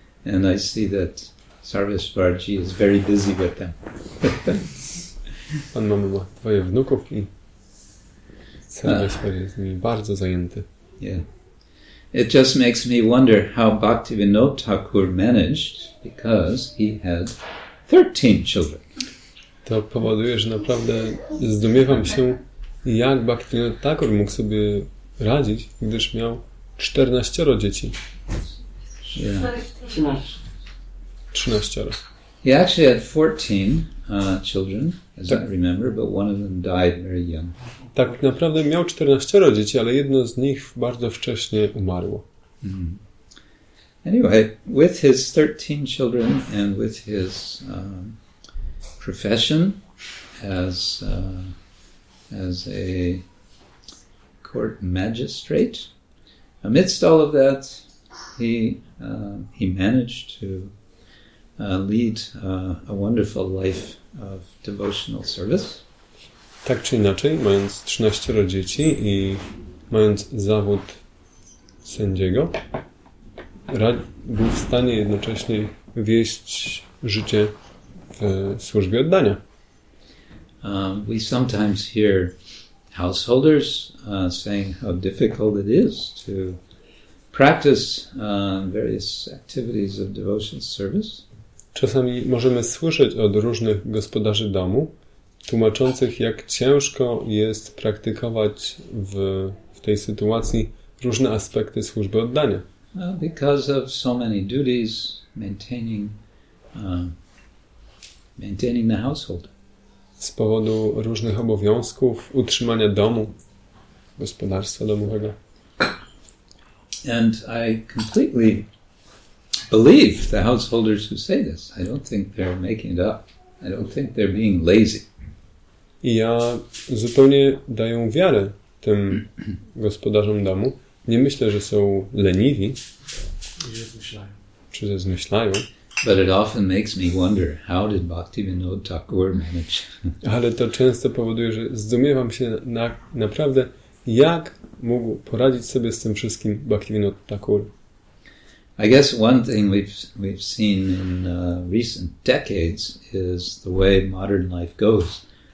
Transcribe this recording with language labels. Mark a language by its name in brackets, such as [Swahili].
[English] And I see that Sarvesvarji is very busy with them. [Polish] Pan mamy ma dwoje wnuków I Sarvesvarji jest nimi bardzo zajęty. [English] Yeah. It just makes me wonder how Bhaktivinoda Thakur managed, because he had 13 children. [Polish] To powoduje, że naprawdę zdumiewam się, jak Bhaktivinoda Thakur mógł sobie radzić, gdyż miał 14 dzieci. [English] Yeah. 13. He actually had 14 children, as tak. I remember, but one of them died very young. [Polish] Tak naprawdę miał 14 dzieci, ale jedno z nich bardzo wcześnie umarło. Mm-hmm. [English] Anyway, with his 13 children and with his profession as a court magistrate, amidst all of that, he managed to lead a wonderful life of devotional service. [Polish] Tak czy inaczej, mając 13 dzieci I mając zawód sędziego, był w stanie jednocześnie wieść życie w służbie oddania. [English] We sometimes hear householders saying how difficult it is to practice various activities of devotional service. [Polish] Czasami możemy słyszeć od różnych gospodarzy domu, tłumaczących, jak ciężko jest praktykować w tej sytuacji różne aspekty służby oddania. [English] Well, because of so many duties, maintaining the household. [Polish] Z powodu różnych obowiązków utrzymania domu, gospodarstwa domowego. [English] And I completely believe the householders who say this. I don't think they're making it up. I don't think they're being lazy. [Polish] I ja zupełnie daję wiarę tym gospodarzom domu. Nie myślę, że są leniwi. Czy się zmyślają. [English] But it often makes me wonder, how did Bhaktivinoda Thakur manage? [Polish] Ale to często powoduje, że zdumiewam się naprawdę, jak mógł poradzić sobie z tym wszystkim Bhaktivinoda Thakur. [English] I guess one thing we've seen in recent decades is the way modern life goes.